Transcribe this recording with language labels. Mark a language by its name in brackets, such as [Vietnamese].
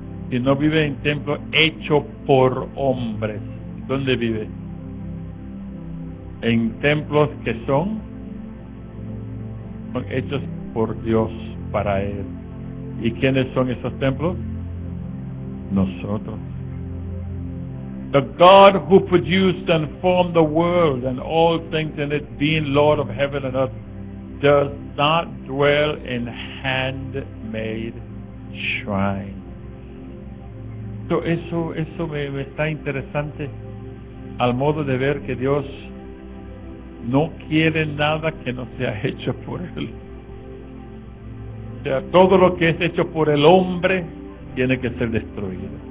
[Spanish] Si no vive en templos hechos por hombres, ¿dónde vive? En templos que son hechos por Dios para Él. ¿Y quiénes son esos templos? Nosotros. [English] The God who produced and formed the world and all things in it, being Lord of heaven and earth, does not dwell in handmade shrines. [Spanish] Eso me está interesante al modo de ver que Dios no quiere nada que no sea hecho por Él. O sea, todo lo que es hecho por el hombre tiene que ser destruido.